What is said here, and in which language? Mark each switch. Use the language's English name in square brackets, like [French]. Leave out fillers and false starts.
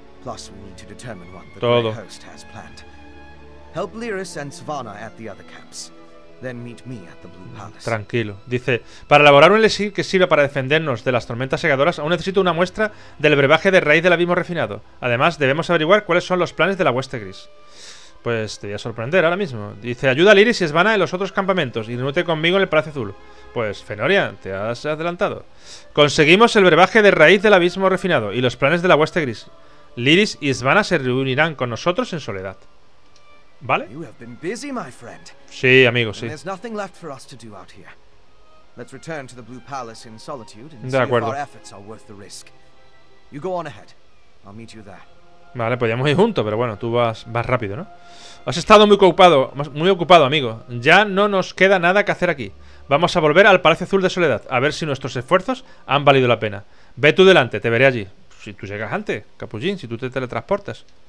[English] Plus, we need to determine what the Grey Host has planned. Help Lyris and Svana at the other camps. Then meet me at the Blue Palace. [Spanish] Tranquilo. Dice, para elaborar un elixir que sirva para defendernos de las tormentas segadoras, aún necesito una muestra del brebaje de raíz del abismo refinado. Además, debemos averiguar cuáles son los planes de la hueste gris. Pues te voy a sorprender ahora mismo. Dice, ayuda a Liris y Svana en los otros campamentos y reúnete conmigo en el Palacio Azul. Pues, Fenoria, te has adelantado. Conseguimos el brebaje de raíz del abismo refinado y los planes de la hueste gris. Liris y Svana se reunirán con nosotros en soledad. ¿Vale? [English] You have been busy, my friend. [Spanish] Sí, amigo, sí. [English] There's nothing left for us to do out here. Let's return to the Blue Palace in solitude and [Spanish] de acuerdo. [English] See if our efforts are worth the risk. You go on ahead. I'll meet you there. [Spanish] Vale, podríamos ir juntos, pero bueno, tú vas rápido, ¿no? Has estado muy ocupado, amigo. Ya no nos queda nada que hacer aquí. Vamos a volver al Palacio Azul de Soledad, a ver si nuestros esfuerzos han valido la pena. Ve tú delante, te veré allí. Si tú llegas antes, Capullín, si tú te teletransportas.